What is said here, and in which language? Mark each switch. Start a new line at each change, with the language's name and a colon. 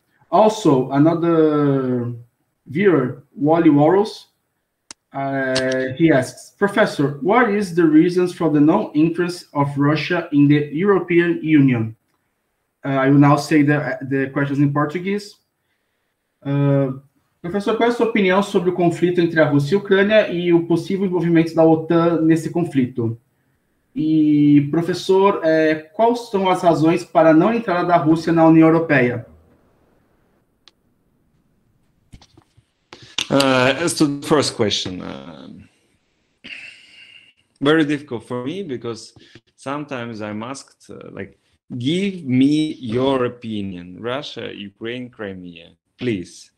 English: Also, another viewer, Wally Warrels, he asks, Professor, what is the reasons for the non-interest of Russia in the European Union? I will now say the questions in Portuguese.
Portuguese: Professor, qual é a sua opinião sobre o conflito entre a Rússia e a Ucrânia e o possível envolvimento da OTAN nesse conflito? E, professor, quais são as razões para não entrar da Rússia na União Europeia?
English: As to the first question, very difficult for me, because sometimes I'm asked, give me your opinion, Russia, Ukraine, Crimea, please.